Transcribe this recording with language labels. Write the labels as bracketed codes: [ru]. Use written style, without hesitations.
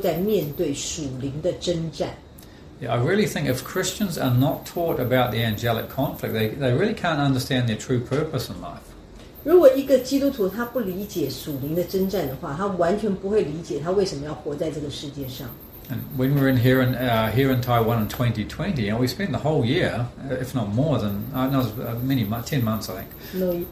[zh] 所以作为一个这个信徒，基督的信徒，我们必须知道，我们其实是天天都在面对属灵的征战。 [en] Yeah, I really think if Christians are not taught about the angelic conflict, they really can't understand their true purpose in life. [zh] 如果一个基督徒他不理解属灵的征战的话，他完全不会理解他为什么要活在这个世界上。 [en] And when we're in here in here in Taiwan in 2020, and we spend the whole year, if not more than ten months, I think.